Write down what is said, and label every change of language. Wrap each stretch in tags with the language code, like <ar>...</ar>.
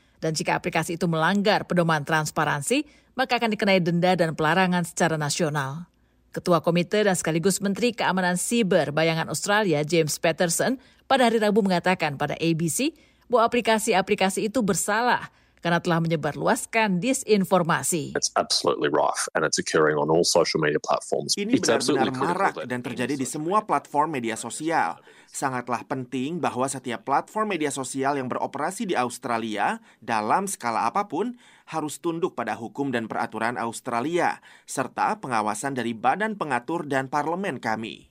<id>Dan jika aplikasi itu melanggar pedoman transparansi, maka akan dikenai denda dan pelarangan secara nasional. Ketua Komite dan sekaligus Menteri Keamanan Siber Bayangan Australia James Patterson pada hari Rabu mengatakan pada ABC bahwa aplikasi-aplikasi itu bersalah karena telah menyebarluaskan disinformasi.</id> <en>It's absolutely rife and it's occurring on all social media platforms.</en> <id>Ini benar-benar marak dan terjadi di semua platform media sosial. Sangatlah penting bahwa setiap platform media sosial yang beroperasi di Australia dalam skala apapun harus tunduk pada hukum dan peraturan Australia serta pengawasan dari badan pengatur dan parlemen kami.</id>